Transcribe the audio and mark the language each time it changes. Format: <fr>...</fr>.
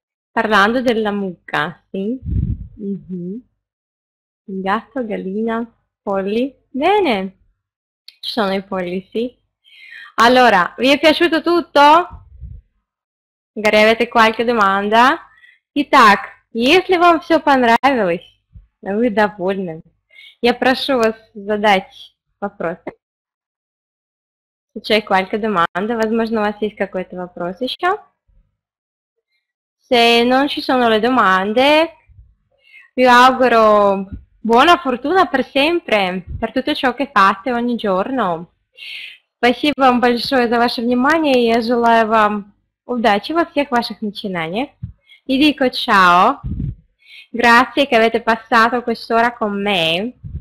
<it>Parlando della mucca, sì. Il gatto, gallina, polli. Bene. Ci sono i polli, sì. Allora, vi è piaciuto tutto? Magari avete qualche domanda?</it> <ru>Итак, если вам все понравилось, вы довольны. Я прошу вас задать вопросы.</ru> <it>Se c'è qualche domanda,</it> <ru>возможно, у вас есть какой-то вопрос еще.</ru> <it>Se non ci sono le domande, vi auguro buona fortuna per sempre, per tutto ciò che fate ogni giorno.</it> <ru>Спасибо вам большое за ваше внимание. Я желаю вам удачи во всех ваших начинаниях. И дико чао.</ru> <it>Grazie che avete passato quest'ora con me.</it>